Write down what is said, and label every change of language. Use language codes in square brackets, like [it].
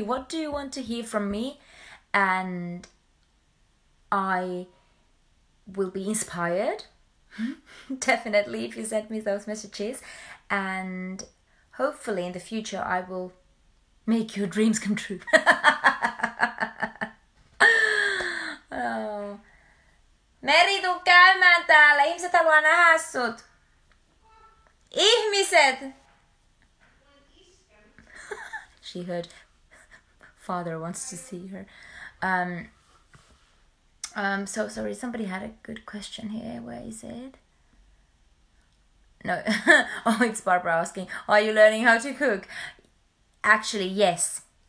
[en] What do you want to hear from me? And I will be inspired, definitely, if you send me those messages. And hopefully in the future, I will make your dreams come true. [fi] Meri, tuu käymään täällä. Ihmiset haluaa nähdä sut. Ihmiset! [en] She heard father wants to see her. So sorry, somebody had a good question here. Where is it? No. Oh, it's Barbara asking, are you learning how to cook? Actually, yes.